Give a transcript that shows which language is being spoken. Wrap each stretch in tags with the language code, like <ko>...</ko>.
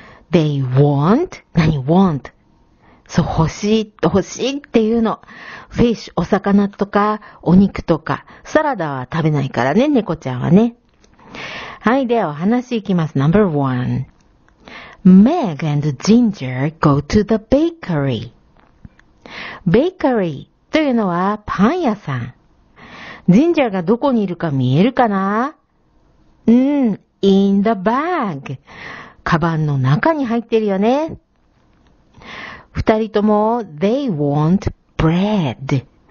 <en>They want?</en> <ja>何</ja> <en>want?</en> <ja>そう、欲しいっていうの。fish、お魚とか、お肉とか、サラダは食べないからね、猫ちゃんはね。はい、ではお話いきます。</ja> <en>Number one. Meg and Ginger go to the bakery.</en> <ja>ベーカリーというのはパン屋さん。ジンジャーがどこにいるか見えるかな？</ja> <en>in the bag。</en> <ja>カバンの中に入ってるよね。二人とも、</ja> <en>they want bread。</en>